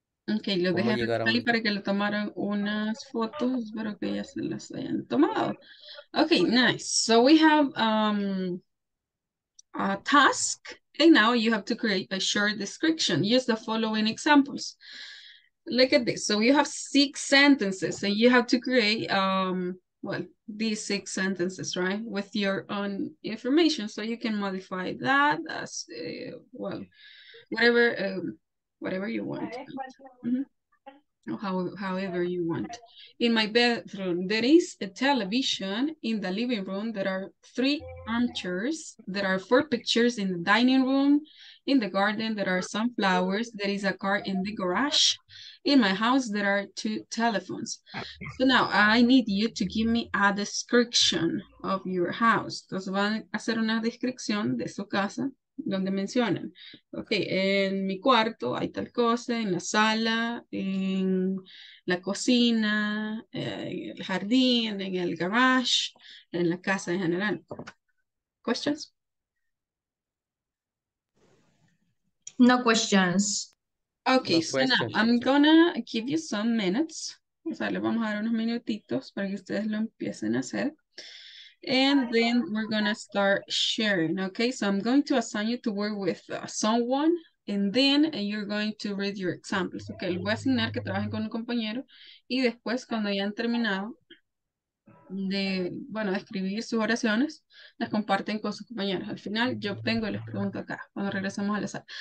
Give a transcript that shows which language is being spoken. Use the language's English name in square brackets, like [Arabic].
[Spanish] Ok, lo dejé ahí para que le tomaran unas fotos. Espero que ya se las hayan tomado. [English] Ok, nice. So we have a task. And now you have to create a short description. Use the following examples. look at this. So you have six sentences and you have to create, well, these six sentences, right? With your own information. So you can modify that as, well, whatever you want. Mm-hmm. However you want. In my bedroom, there is a television. In the living room, there are three armchairs. There are four pictures in the dining room. In the garden, there are some flowers. There is a car in the garage. In my house, there are two telephones. So now I need you to give me a description of your house. [Spanish] Entonces van a hacer una descripción de su casa donde mencionan. Okay, en mi cuarto hay tal cosa, en la sala, en la cocina, en el jardín, en el garage, en la casa en general. [English] Questions? No questions. Okay, no, so now I'm gonna give you some minutes. [Spanish] O sea, le vamos a dar unos minutitos para que ustedes lo empiecen a hacer. [English] And then we're gonna start sharing, okay? So I'm going to assign you to work with someone, and then you're going to read your examples, okay? [Spanish] Le voy a asignar que trabajen con un compañero, y después cuando hayan terminado de, bueno, de escribir sus oraciones, las comparten con sus compañeros. Al final, yo obtengo y les pregunto acá, cuando regresemos a la sala.